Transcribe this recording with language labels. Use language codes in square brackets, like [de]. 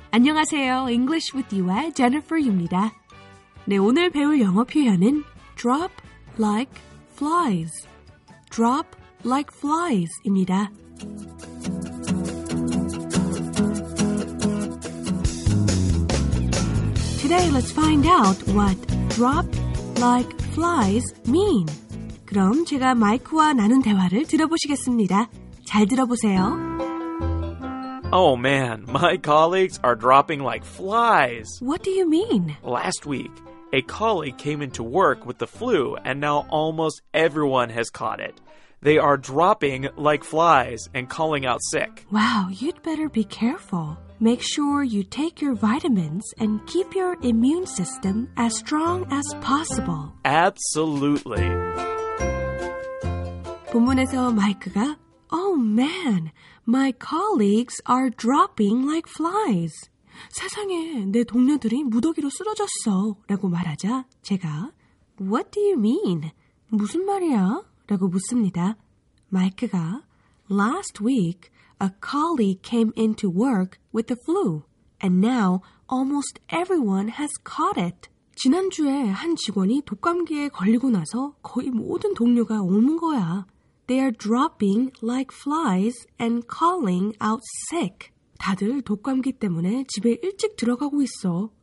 [ko] 안녕하세요, English with You의 Jennifer Yu입니다. 네, 오늘 배울 영어 표현은 drop like flies. Drop like flies입니다. 오늘 [en] let's find out what drop like flies mean. [ko] 그럼 제가 마이크와 나눈 대화를 들어보시겠습니다. 잘 들어보세요. [en] Oh man, my colleagues are dropping like flies. What do you mean? Last week, a colleague came into work with the flu and now almost everyone has caught it. They are dropping like flies and calling out sick. Wow, you'd better be careful. Make sure you take your vitamins and keep your immune system as strong as possible. Absolutely. [ko] 본문에서 마이크가 [en] Oh man, my colleagues are dropping like flies. [ko] 세상에, 내 동료들이 무더기로 쓰러졌어 라고 말하자 제가 [en] What do you mean? [ko] 무슨 말이야? 라고 묻습니다. 마이크가 [en] Last week, a colleague came into work with the flu, and now almost everyone has caught it. [ko] 지난주에 한 직원이 독감기에 걸리고 나서 거의 모든 동료가 옮은 거야. [en] They are dropping like flies and calling out sick. [ko] 다들 독감기 때문에 집에 일찍 들어가고 있어.